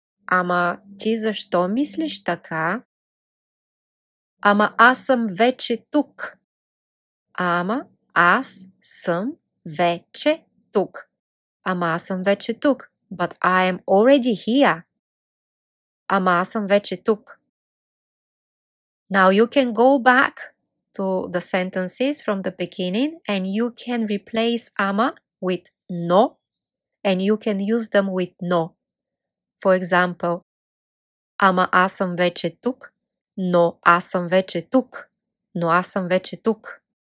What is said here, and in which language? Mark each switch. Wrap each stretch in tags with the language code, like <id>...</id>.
<bg>Ама ти защо мислиш така? Ама аз съм вече тук. Ама аз съм вече тук. Ама аз съм вече тук.</bg> <en>But I am already here.</en> <bg>Ама аз съм вече тук.</bg> <en>Now you can go back to the sentences from the beginning and you can replace ama with no and you can use them with no. For example,</en> <bg>ама аз съм вече тук, но аз съм вече тук, но аз съм вече тук.</bg>